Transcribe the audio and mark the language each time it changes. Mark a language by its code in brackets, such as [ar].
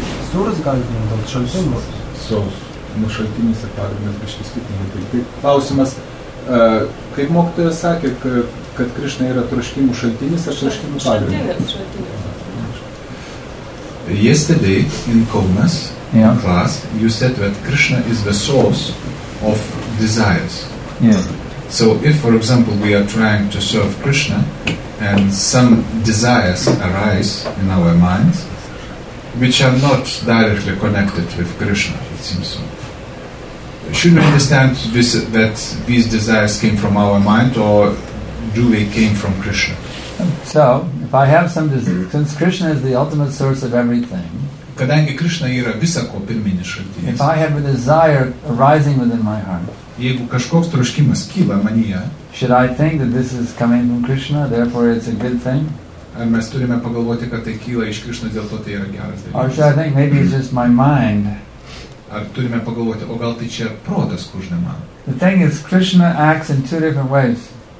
[lt] Sūras gali būti dėl šaltinių. Nu šaltinis ir pagrindas kažkai skirtingai. Tai klausimas, kaip mokytojas sakė, kad Krishna yra troškimų šaltinis ar troškimų pagrindas? Šaltinis. [en] Yesterday in Kaunas, yeah, class, you said that Krishna is the source of desires. Yeah. So if, for example, we are trying to serve Krishna and some desires arise in our minds, which are not directly connected with Krishna, it seems so. Should we understand this, that these desires came from our mind, or do they came from Krishna? So, if I have some desire, since Krishna is the ultimate source of everything, [lt] kadangi Krishna yra visa ko pirminis šaltinis, [en] if I have a desire arising within my heart, [lt] jeigu kažkoks troškimas kyla manyje, [en] should I think that this is coming from Krishna, therefore it's a good thing? [lt] Ar mes turime pagalvoti, kad tai kyla iš Krishna, dėl to tai yra geras dalykas? [en] Or should I think maybe it's just my mind? [lt] Ar turime pagalvoti, o gal tai čia protas kužnema? [en] The thing is, Krishna acts in two different ways.